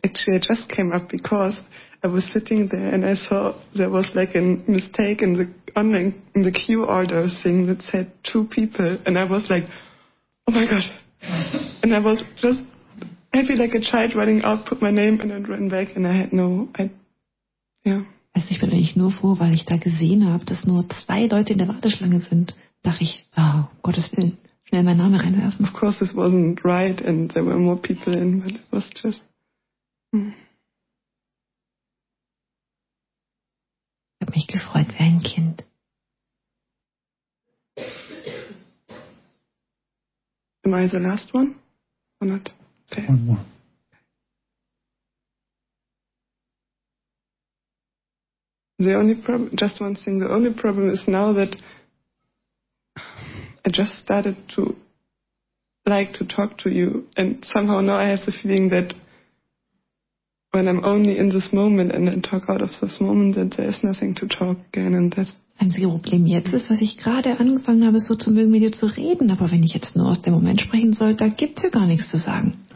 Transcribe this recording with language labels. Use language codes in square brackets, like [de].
[en] Actually, I just came up because I was sitting there and I saw there was like a mistake in the online in the queue order thing that said 2 people and I was like, oh my gosh. And I was just happy like a child running out, put my name and then ran back and I had no yeah. [de] Also ich bin eigentlich nur froh, weil ich da gesehen habe, dass nur 2 Leute in der Warteschlange sind, dachte ich, oh, Gottes Willen, schnell meinen Namen reinwerfen. [en] Of course this wasn't right and there were more people in, but it was just [de] Ich habe mich gefreut wie ein Kind. [en] Am I the last one? Or not? Okay. One more. The only problem, just one thing, the only problem is now that I just started to like to talk to you and somehow now I have the feeling that when I'm only in this moment and then talk out of this moment, then there is nothing to talk again and that's... [de] Das einzige Problem jetzt ist, dass ich gerade angefangen habe, so zu mögen, mit dir zu reden. Aber wenn ich jetzt nur aus dem Moment sprechen soll, da gibt es ja gar nichts zu sagen.